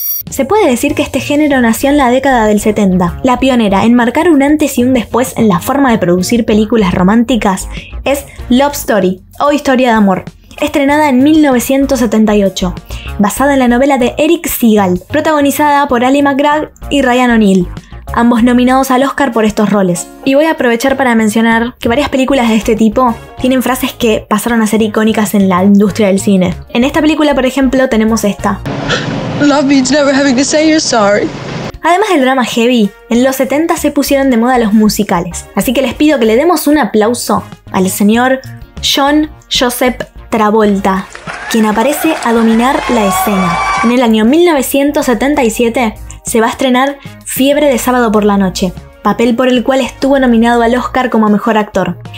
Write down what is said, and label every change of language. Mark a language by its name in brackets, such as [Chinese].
[Spanish] Se puede decir que este género nació en la década del 70. La pionera en marcar un antes y un después en la forma de producir películas románticas es Love Story, o Historia de Amor, estrenada en 1978, basada en la novela de Eric Segal, protagonizada por Ally McGrath y Ryan O'Neill, ambos nominados al Oscar por estos roles. Y voy a aprovechar para mencionar que varias películas de este tipo tienen frases que pasaron a ser icónicas en la industria del cine. En esta película, por ejemplo, tenemos esta. [English] Love means never having to say you're sorry. [Spanish] Además del drama heavy, en los 70 se pusieron de moda los musicales. Así que les pido que le demos un aplauso al señor John Joseph Travolta, quien aparece a dominar la escena. En el año 1977, se va a estrenar Fiebre de Sábado por la Noche, papel por el cual estuvo nominado al Oscar como mejor actor.